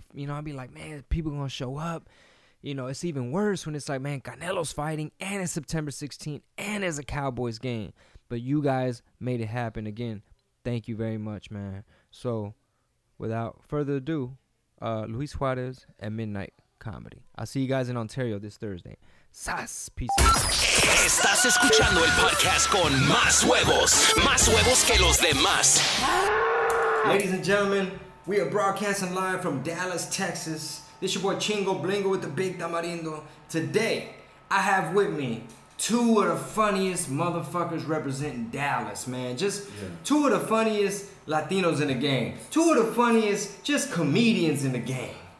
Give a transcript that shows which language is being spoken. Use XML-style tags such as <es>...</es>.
<en>You know, I'd be like, man, people going to show up. You know, it's even worse when it's like, man, Canelo's fighting and it's September 16th and it's a Cowboys game. But you guys made it happen. Again, thank you very much, man. So without further ado, Luis Suarez at Midnight Comedy. I'll see you guys in Ontario this Thursday. Sas. Peace.</en> <es>Estás escuchando el podcast con más huevos. Más huevos que los demás.</es> <en>Ladies and gentlemen, we are broadcasting live from Dallas, Texas. This your boy Chingo Blingo with the Big Tamarindo. Today, I have with me two of the funniest motherfuckers representing Dallas, man. Just two of the funniest Latinos in the game. Two of the funniest just comedians in the game.</en>